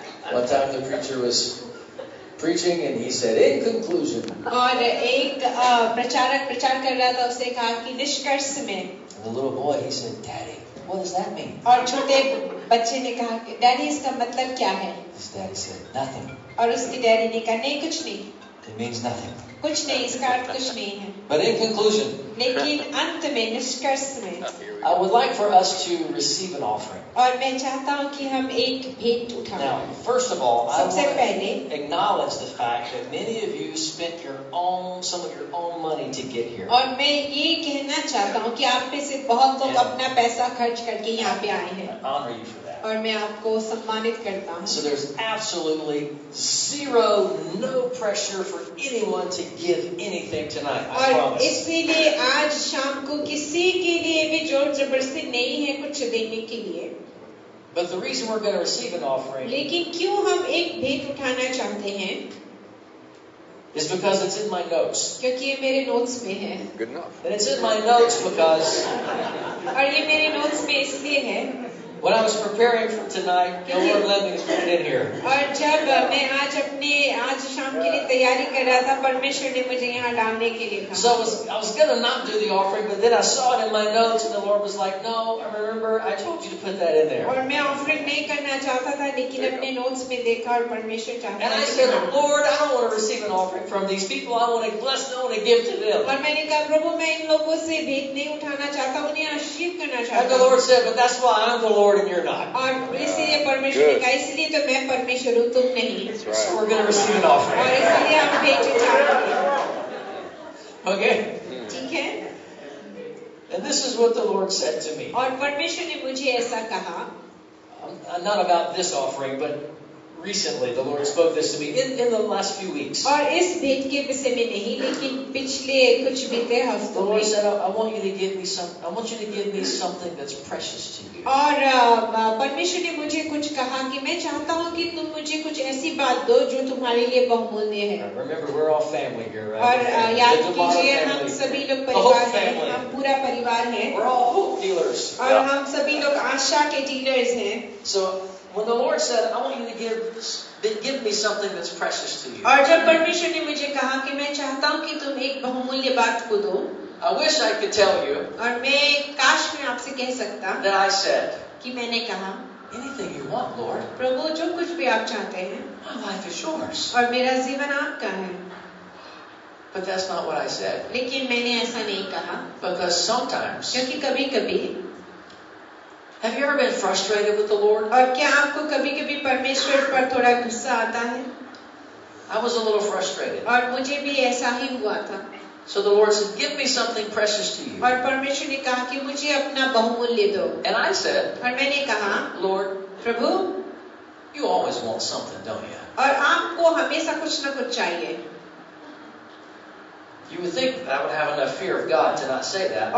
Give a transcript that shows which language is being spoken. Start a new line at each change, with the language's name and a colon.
English: One time the preacher was preaching and he said, in conclusion.
Hindi: और एक प्रचारक प्रचार कर रहा था, उसने कहा कि निष्कर्ष में.
English: The little boy, he said, Daddy, what does that mean?
Hindi: और छोटे बच्चे ने कहा कि Daddy, इसका मतलब क्या है?
English: His daddy said, nothing.
Hindi: और उसके daddy ने कहा, नहीं कुछ नहीं.
English: It means nothing.
Hindi: कुछ नहीं, इसका अर्थ कुछ नहीं है.
English: But in conclusion,
Hindi: लेकिन अंत में निष्कर्ष में,
English: I would like for us to receive an offering.
Hindi: और मैं चाहता हूँ कि हम एक भेंट उठाएं.
English: Now, first of all, I want to acknowledge the fact that many of you spent some of your own money to get here.
Hindi: और मैं ये कहना चाहता हूँ कि आप में से बहुत लोग अपना पैसा खर्च करके यहाँ पे आए हैं. और मैं आपको सम्मानित करता हूँ.
English: So there's absolutely zero, no pressure for anyone to give anything tonight.
Hindi: और इसलिए आज शाम को किसी के लिए भी जोर जबरदस्ती नहीं है कुछ देने के लिए.
English: But the reason we're going to receive an offering.
Hindi: लेकिन क्यों हम एक भेंट उठाना चाहते हैं?
English: It's because it's in my notes.
Hindi: क्योंकि ये मेरे नोट्स में है.
English: Good enough. And it's in my notes because.
Hindi: और ये मेरे नोट्स में इसलिए है.
English: When I was preparing for tonight, the Lord led me to put it in here.
Hindi: और जब मैं आज अपने आज शाम के लिए तैयारी कर रहा था, परमेश्वर ने मुझे यहाँ डालने के लिए कहा.
English: So I was gonna not do the offering, but then I saw it in my notes, and the Lord was like, "No, remember, I told you to put that in there."
Hindi: और मैं offering नहीं करना चाहता था, लेकिन अपने notes में देखा और परमेश्वर चाहता था.
English: And I said, "Lord, I don't want to receive an offering from these people. I want to bless them and give to them."
Hindi: और मैंने कहा, प्रभु, मैं इन लोगों से भेंट नहीं उठाना चाहता, उन्हें आशीर्वाद करना चाहता.
English: And the Lord said, "But that's why I'm the Lord."
Hindi: और इसीलिए परमेश्वर ने कहा, इसलिए तो मैं परमेश्वर हूँ, तुम नहीं. और इसीलिए हम भेंट उठाएंगे. ठीक है.
English: And this is what the Lord said to me.
Hindi: और परमेश्वर ने मुझे ऐसा कहा.
English: Not about this offering, but recently the Lord spoke this to me in the last few weeks.
Hindi: और इस भेंट के विषय में नहीं, लेकिन पिछले कुछ बीते हफ्तों.
English: The Lord said, I want you to give me something that's precious to you.
Hindi: और परमेश्वर ने मुझे कुछ कहा कि मैं चाहता हूँ कि तुम मुझे कुछ ऐसी बात दो जो तुम्हारे लिए बहुमूल्य है.
English: Remember, we're all family here, right?
Hindi: और याद कीजिए, हम सभी लोग परिवार हैं, हम पूरा परिवार है.
English: We're all hope dealers.
Hindi: और हम सभी लोग आशा के डीलर्स हैं.
English: So when the Lord said, I want you to give me something that's precious to you.
Hindi: और जब परमेश्वर ने मुझे कहा कि मैं चाहता हूँ कि तुम एक बहुमूल्य बात को दो.
English: I wish I could tell you.
Hindi: और मैं काश मैं आपसे कह सकता.
English: That I said.
Hindi: कि मैंने कहा.
English: Anything you want, Lord.
Hindi: प्रभु, जो कुछ भी आप चाहते हैं.
English: My life is yours.
Hindi: और मेरा जीवन आपका है.
English: But that's not what I said.
Hindi: लेकिन मैंने ऐसा नहीं कहा.
English: Because sometimes.
Hindi: क्योंकि कभी-कभी.
English: Have you ever been frustrated with the Lord?
Hindi: और क्या आपको कभी-कभी परमेश्वर पर थोड़ा गुस्सा आता है?
English: I was a little frustrated.
Hindi: और मुझे भी ऐसा ही हुआ था.
English: So the Lord said, give me something precious to you.
Hindi: और परमेश्वर ने कहा कि मुझे अपना बहुमूल्य दो.
English: And I said,
Hindi: और मैंने कहा,
English: Lord,
Hindi: Prabhu,
English: you always want something, don't you?
Hindi: और आपको हमेशा कुछ ना कुछ चाहिए.
English: You would think I would have enough fear of God to not say that.